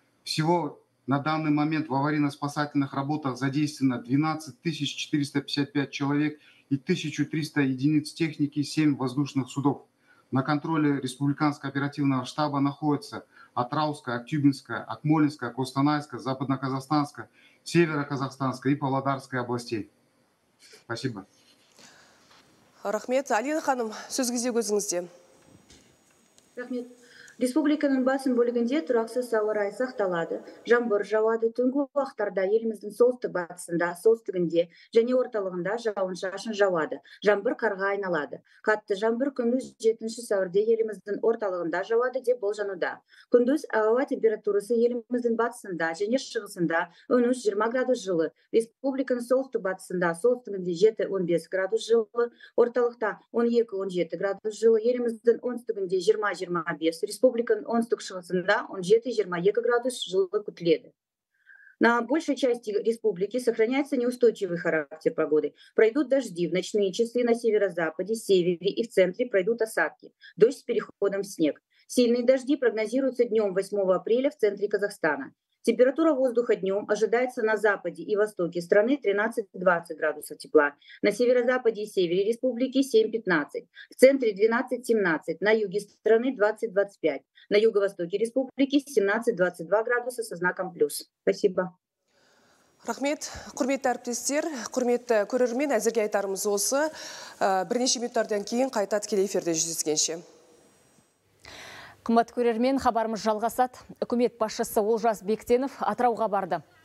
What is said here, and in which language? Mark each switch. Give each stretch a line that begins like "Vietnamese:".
Russian: Всего на данный момент в аварийно-спасательных работах задействовано 12 455 человек и 1300 единиц техники, 7 воздушных судов. На контроле Республиканского оперативного штаба находятся Атрауская, Актюбинская, Акмолинская, Костанайская, Западно-Казахстанская, Северо-Казахстанская и Павлодарская областей. Спасибо.
Kazakh: Рахмет. Алина ханым, сөз кезегі өзіңізде. Рахмет. Республиканың басым бөлігінде тұрақсыз ауа райы сақталады. Жаңбыр жауады. Түнгі уақыттарда еліміздің солтүстік батысында, солтүстігінде және орталығында жауын шашын жауады. Жаңбыр қарға айналады. Қатты жаңбыр күндіз 7 сәуірде еліміздің орталығында жауады деп болжануда. Күндіз ауа температурасы еліміздің батысында және шығысында 13-20 градус жылы. Республиканың солтүстік батысында, солтүстігінде 7-15 градус жылы. Орталықта 12-17 градус жылы. Еліміздің оңтүстігінде 20-25. Республиканың оңтүстік шығысында 17-22 градус жылы күтіледі.
Russian: На большей части республики сохраняется неустойчивый характер погоды. Пройдут дожди, в ночные часы на северо-западе, севере и в центре пройдут осадки. Дождь с переходом в снег. Сильные дожди прогнозируются днем 8 апреля в центре Казахстана. Температура воздуха днем ожидается на западе и востоке страны 13-20 градусов тепла, на северо-западе и севере республики 7-15, в центре 12-17, на юге страны 20-25, на юго-востоке республики 17-22 градуса со знаком плюс. Спасибо.
Kazakh: Рахмет, құрметті әріптестер, құрметті көрермен, әзірге айтарымыз осы. Бірнеше минуттардан кейін қайта тікелей эфирде жүздескенше. Қымбат көрермен, хабарымыз жалғасады. Үкімет басшысы Олжас Бектенов Атырауға барды.